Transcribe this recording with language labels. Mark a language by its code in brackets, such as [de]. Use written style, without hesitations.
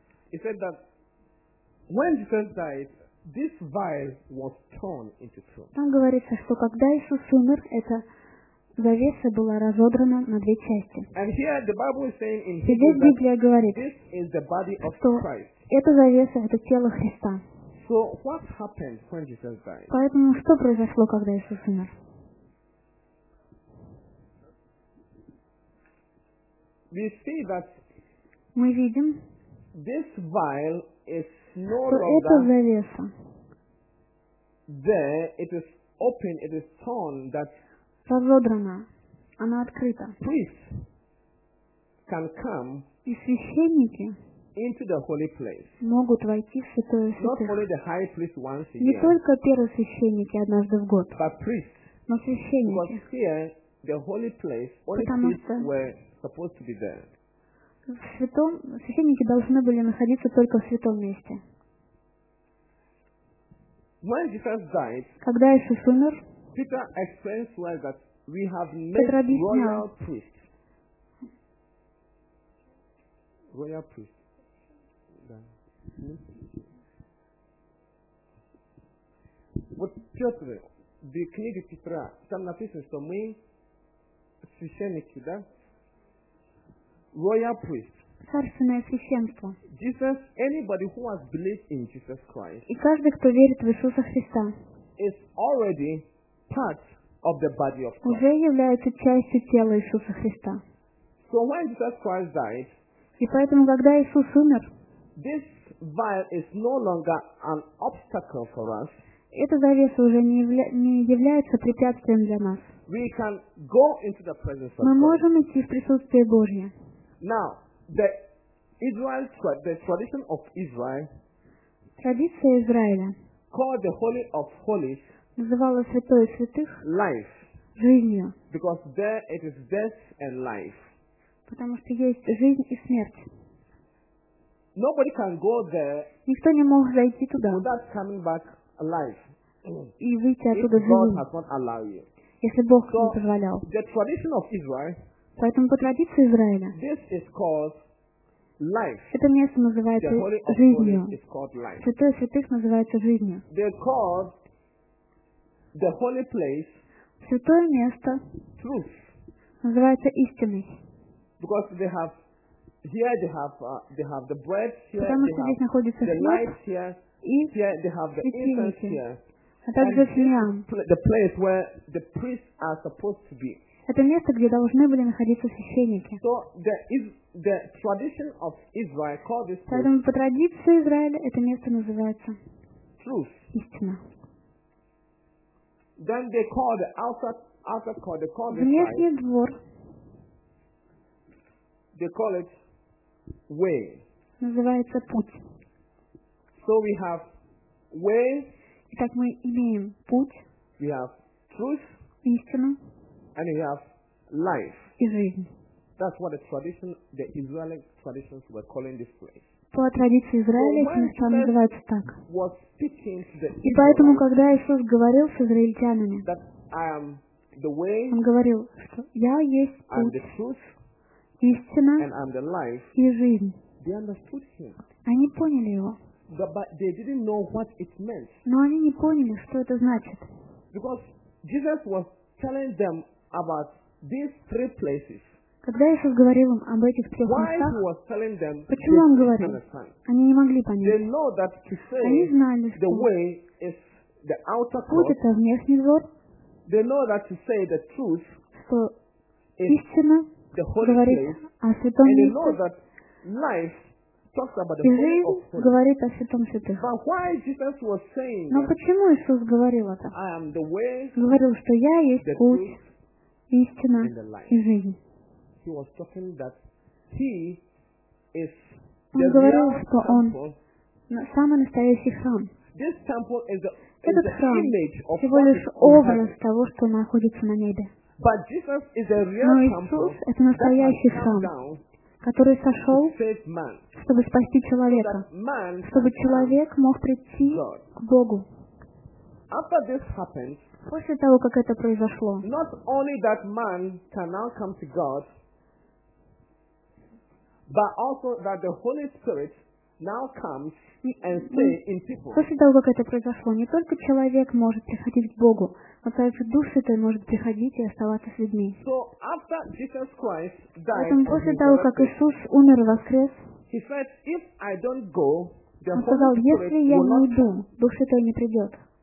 [en] He said that when Jesus died, this vial was torn into two. [ru] Там говорится, что когда Иисус умер, эта завеса была разодрана на две части. [en] And here the Bible is saying in Hebrews that this is the body of Christ. [ru] Эта завеса — это тело Христа. [en] So what happened when Jesus died? [ru] Поэтому что произошло, когда Иисус умер? [en] We see that. [ru] Мы видим, [en] this vial is no [ru] что эта завеса [en] there, it is open, it is torn, that [ru] разодрана, она открыта. [en] Priests can come [ru] и священники [en] into the holy place. [ru] Могут войти в святое святых. [en] Not only the high priest once a year. [ru] Не только первосвященники однажды в год. [en] But priests. [ru] Но священники. [en] Because here the holy place, only priests were supposed to be there. [ru] В святом священники должны были находиться только в святом месте. [en] When Jesus died, [ru] когда Иисус умер, [en] Peter explains well that we have made royal priests. Royal priests. [ru] Вот Петр, в книге Петра, там написано, что мы священники, да? [en] Royal priest. [ru] Царственное священство. [en] Jesus, anybody who has believed in Jesus Christ. [ru] И каждый, кто верит в Иисуса Христа. [en] Is already part of the body of Christ. [ru] Уже является частью тела Иисуса Христа. [en] So when Jesus Christ died. [ru] И поэтому, когда Иисус умер. [en] This vial is no longer an obstacle for us. [ru] Эта завеса уже не является препятствием для нас. [en] We can go into the presence of God. [ru] Мы можем идти в присутствие Божье. [en] Now, the Israel, the tradition of Israel, [ru] традиция Израиля, [en] called the Holy of Holies, [ru] называла святое святых, [en] life, [ru] жизнью, [en] because there it is death and life. [ru] Потому что есть жизнь и смерть. [en] Nobody can go there. [ru] Никто не мог зайти туда. [en] Without coming back alive. [ru] И выйти оттуда живым. [en] God has not allowed you. [ru] Если Бог не позволял. [en] The tradition of Israel. [ru] Поэтому по традиции Израиля [en] this is called life. [ru] Это место называется [en] the Holy of [ru] жизнью. [en] Is called life. [ru] Святое святых называется жизнью. [en] They called the holy place [ru] святое место [en] truth. [ru] Называется истиной. [en] Because they have here they have the bread here, [ru] потому что [en] they [ru] здесь [en] have [ru] находится [en] the light here, [ru] и [en] here they have the incense here. [ru] А также свинья. [en] The place where the priests are supposed to be. [ru] Это место, где должны были находиться священники. [en] So the tradition of Israel called this place. [ru] Поэтому по традиции Израиля это место называется [en] truth. [ru] Истина. [en] Then they call the outer court, they call [ru] внешний [en] this [ru] двор. [en] They call it way. [ru] Называется путь. [en] So we have way. [ru] Итак, мы имеем путь. [en] We have truth. [ru] Истину. [en] And we have life. [ru] И жизнь. [en] That's what the tradition, the Israeli traditions were calling this place. [ru] По традиции Израиля это место называется так. [en] Was speaking to the [ru] и поэтому, когда Иисус говорил с израильтянами, [en] that I am the way, [ru] Он говорил, что Я есть путь, [en] I'm the truth, [ru] истина [en] and I'm the life, [ru] и жизнь. [en] They understood him. [ru] Они поняли Его. [en] But they didn't know what it meant. [ru] Но они не поняли, что это значит. [en] Because Jesus was telling them about these three places. [ru] Когда Иисус говорил им об этих трех местах, [en] was telling them, [ru] почему Он говорил? Они не могли понять. [en] They know that to say, [ru] они знали, что [en] the way is the outer [ru] путь cross. Это внешний двор. [en] They know that to say the truth, [ru] что истина [en] the holy [ru] говорит [en] place, [ru] о святом [en] and [ru] месте. [en] They know that life talks about the [ru] и жизнь [en] of holy. [ru] Говорит о святом святых. [en] But why Jesus was saying, [ru] но почему Иисус говорил это? [en] I am the way, [ru] говорил, что Я есть [en] the [ru] путь, [en] truth, [ru] истина [en] the [ru] и жизнь. [en] He was talking that he is [ru] он говорил, что Он самый настоящий храм. [en] This temple is the, [ru] этот [en] is [ru] храм [en] the image of [ru] всего лишь образ того, что находится на небе. [en] But Jesus is a real [ru] но Иисус – это настоящий храм, который сошел, чтобы спасти человека, чтобы человек мог прийти к Богу. [en] After this happened, [ru] после того, как это произошло, [en] not only that man can now come to God, but also that the Holy Spirit now comes and stay in people. [ru] После того, как это произошло, не только человек может приходить к Богу, но также Дух Святой может приходить и оставаться с людьми. [en] So after Jesus Christ died, [ru] поэтому после того, как Иисус умер и воскрес, [en] he said, if I don't go, the [ru] Он сказал, если я не уйду, Дух Святой не придет.